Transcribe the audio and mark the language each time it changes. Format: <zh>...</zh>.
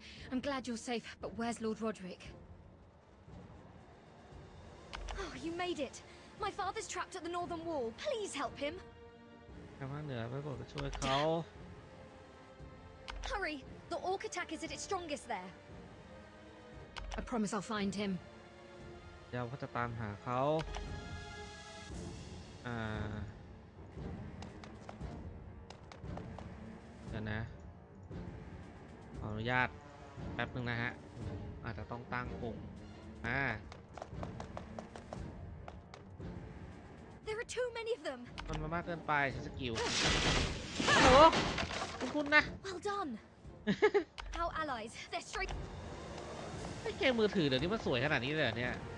<en>I'm glad you're safe but where's Lord Roderick Oh you made it My father's trapped at the northern wall please help him</en> <th>ทางเหนือไปก่อนช่วยเขา</th> <en>Hurry the orc attack is at its strongest there I promise I'll find him</en> <th>เดี๋ยวก็จะตามหาเขาเดี๋ยวนะขออนุญาตแป๊บนึงนะฮะอาจจะต้องตั้งปุ่ม</th> <en>There are too many of them</en> <th>มันมากเกินไปสกิลโหคุณนะ</th> <en>Well done How allies they're straight</en> <th>ไอ้เกมมือถือเดี๋ยวนี้มันสวยขนาดนี้เลยเนี่ย</th>